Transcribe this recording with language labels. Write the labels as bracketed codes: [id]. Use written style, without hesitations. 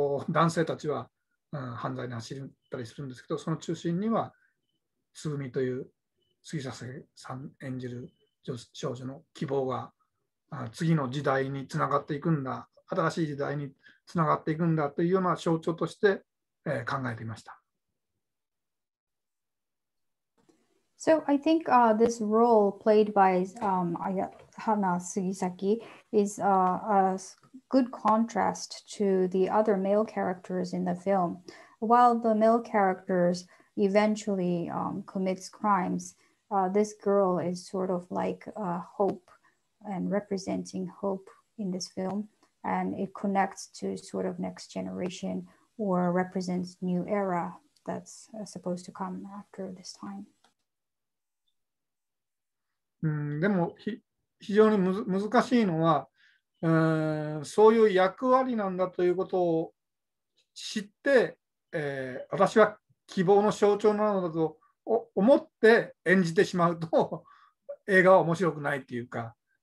[ja] 男性たちは犯罪に走ったりするんですけど、その中心にはつぐみという杉咲さん演じる少女の希望が次の時代につながっていくんだ、新しい時代につながっていくんだというような象徴として考えていました。 [en] So I think this role played by Hana Sugisaki is a good contrast to the other male characters in the film. While the male characters eventually commits crimes, this girl is sort of like hope and representing hope in this film. And it connects to sort of next generation or represents new era that's supposed to come after this time. [ja] でも非常に難しいのは、そういう役割なんだということを知って、私は希望の象徴なのだと思って演じてしまうと映画は面白くないというか、